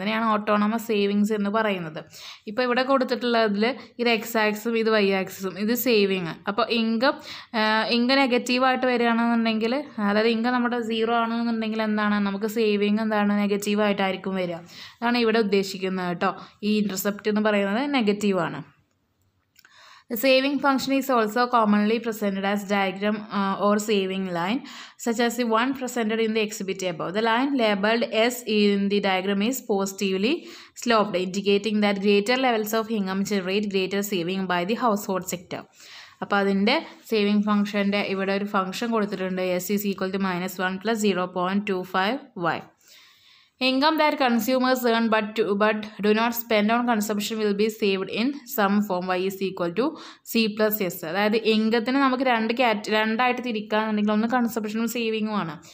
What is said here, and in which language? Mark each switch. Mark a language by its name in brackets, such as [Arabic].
[Malayalam] അതിനെയാണ് autonomous savings എന്ന് പറയുന്നത്. ഇപ്പോൾ ഇവിടെ കൊടുത്തിട്ടുള്ളതിൽ ഇത് എക്സ് ആക്സും ഇത് വൈ ആക്സും, ഇത് സേവിങ്. അപ്പോൾ ഇൻകം നെഗറ്റീവായിട്ട് വരികയാണെന്നുണ്ടെങ്കിൽ, അതായത് ഇൻകം നമ്മുടെ സീറോ ആണെന്നുണ്ടെങ്കിൽ എന്താണ് നമുക്ക് സേവിങ് എന്താണ് നെഗറ്റീവായിട്ടായിരിക്കും വരിക. അതാണ് ഇവിടെ ഉദ്ദേശിക്കുന്നത് കേട്ടോ. ഈ ഇൻ്റർസെപ്റ്റ് എന്ന് പറയുന്നത് നെഗറ്റീവാണ്. [English] The saving function is also commonly presented as diagram or saving line, such as the one presented in the exhibit above. The line labeled S in the diagram is positively sloped, indicating that greater levels of income generate greater saving by the household sector. [Malayalam] അപ്പോൾ അതിൻ്റെ saving ഫംഗ്ഷൻ്റെ ഇവിടെ ഒരു function കൊടുത്തിട്ടുണ്ട്, [English] S is equal to -1 to -0.25 y. Income that consumers earn but do not spend on consumption will be saved in some form. Y is equal to C+S. [Malayalam] അതായത് ഇൻകത്തിന് നമുക്ക് രണ്ടായിട്ട് തിരിക്കാന്നുണ്ടെങ്കിൽ ഒന്ന് കൺസംപ്ഷനും സേവിങ്ങുമാണ്.